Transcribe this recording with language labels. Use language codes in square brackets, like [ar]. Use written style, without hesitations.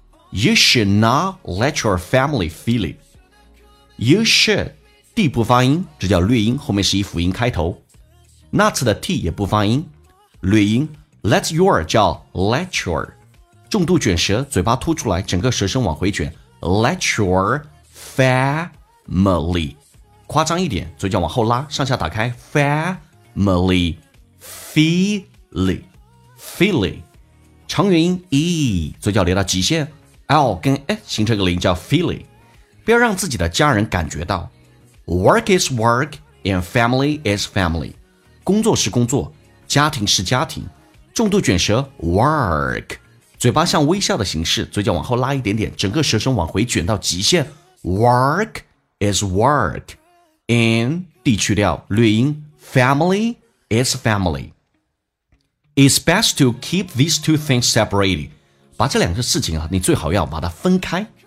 [en] You should not let your family feel it. You should. [zh] D 不发音，这叫略音，后面是以辅音开头。 Not 的 T 也不发音，略音。 [en] Let your [zh] 叫 let your. 重度卷舌，嘴巴凸出来，整个舌身往回卷。 [en] Let your family. [zh] 夸张一点，嘴角往后拉，上下打开。 Family, feely, 长元音 e， 嘴角留到极限 ，l 跟 e 形成个零叫 feely， 不要让自己的家人感觉到。 [en] Work is work and family is family， [zh] 工作是工作，家庭是家庭。重度卷舌 work， 嘴巴像微笑的形式，嘴角往后拉一点点，整个舌身往回卷到极限。 [en] Work is work and D [zh] 去掉，略音。 [en] Family is family. It's best to keep these two things separated. [zh] 把这两个事情啊，你最好要把它分开。